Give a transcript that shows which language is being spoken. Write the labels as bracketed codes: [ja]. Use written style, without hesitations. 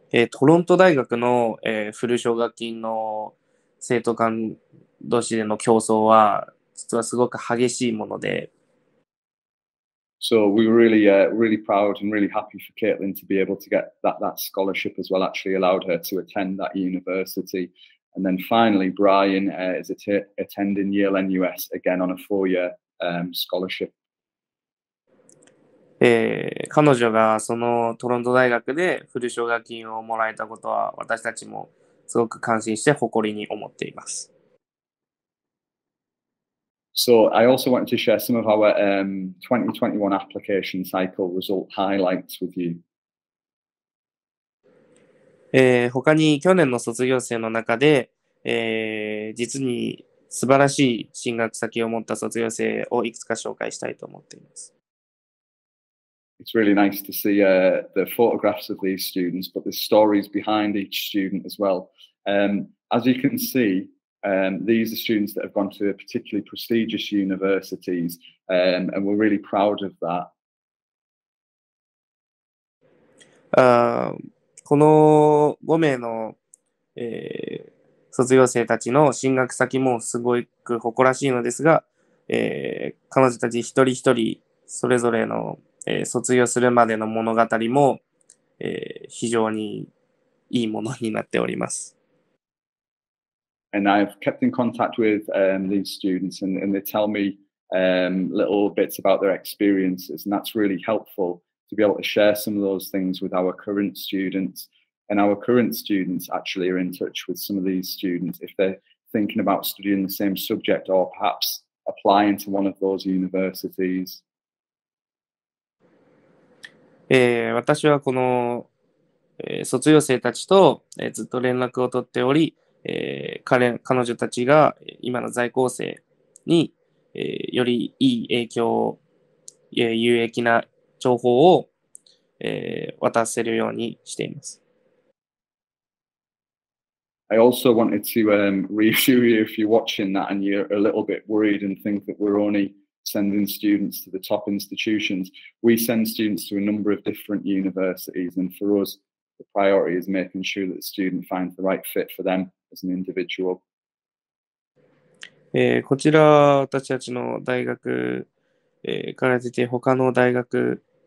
[ja] トロント大学の、フル奨学金の生徒間同士での競争は、実はすごく激しいもので。 [en] So we were really, really proud and really happy for Caitlin to be able to get that scholarship as well, actually allowed her to attend that university. And then finally, Brian, is attending Yale NUS again on a four-year, scholarship. [ja] 彼女がそのトロント大学でフル奨学金をもらえたことは私たちもすごく感心して誇りに思っています。 [en] So I also wanted to share some of our 2021 application cycle result highlights with you. [ja] 他に去年の卒業生の中で、実に素晴らしい進学先を持った卒業生をいくつか紹介したいと思っています。 [en] It's really nice to see the photographs of these students, but the stories behind each student as well. As you can see,these are students that have gone to particularly prestigious universities, and we're really proud of that. [ja] この5名の、卒業生たちの進学先もすごく誇らしいのですが、彼女たち一人一人それぞれの、卒業するまでの物語も、非常にいいものになっております。 [en] And I've kept in contact with these students, and they tell me little bits about their experiences, and that's really helpful to be able to share some of those things with our current students. And our current students actually are in touch with some of these students if they're thinking about studying the same subject or perhaps applying to one of those universities. [ja] 私はこの、卒業生たちと、ずっと連絡を取っており、彼女たちが今の在校生に、よりいい影響、有益な情報を、渡せるようにしています。 [en] I also wanted to reassure you if you're watching that and you're a little bit worried and think that we're only sending students to the top institutions. We send students to a number of different universities, and for us, the priority is making sure that the student finds the right fit for them. As an individual. [ja] こちら私たちの大学、から出て他の大学